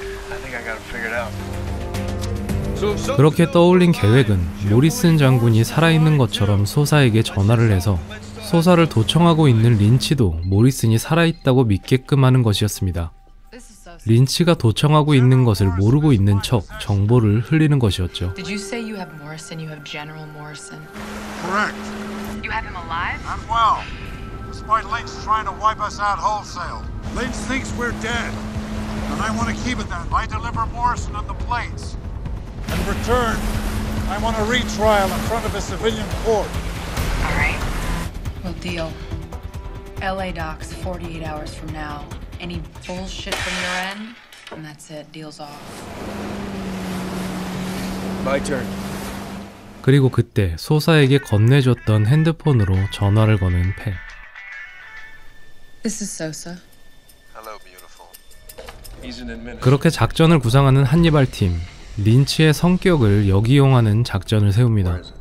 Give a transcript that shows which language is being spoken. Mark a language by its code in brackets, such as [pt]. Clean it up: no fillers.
[en] I think I got it figured out. [ko] 그렇게 떠올린 계획은 모리슨 장군이 살아있는 것처럼 소사에게 전화를 해서 소사를 도청하고 있는 린치도 모리슨이 살아있다고 믿게끔 하는 것이었습니다. 린치가 도청하고 있는 것을 모르고 있는 척 정보를 흘리는 것이었죠. [en] Did you say you have Morrison? You have General Morrison? Correct. You have him alive? I'm well. Despite Lynch trying to wipe us out wholesale, Lynch thinks we're dead. And I want to keep it that way. I deliver Morrison on the plates. In return, I want a retrial in front of a civilian court. All right. We'll deal. LA docks 48 hours from now. Any bullshit from your end, and that's it. Deal's off. My turn. [ko] 그리고 그때 소사에게 건네줬던 핸드폰으로 전화를 거는 패. [en] This is Sosa. [ko] 그렇게 작전을 구상하는 한니발 팀, 린치의 성격을 역이용하는 작전을 세웁니다.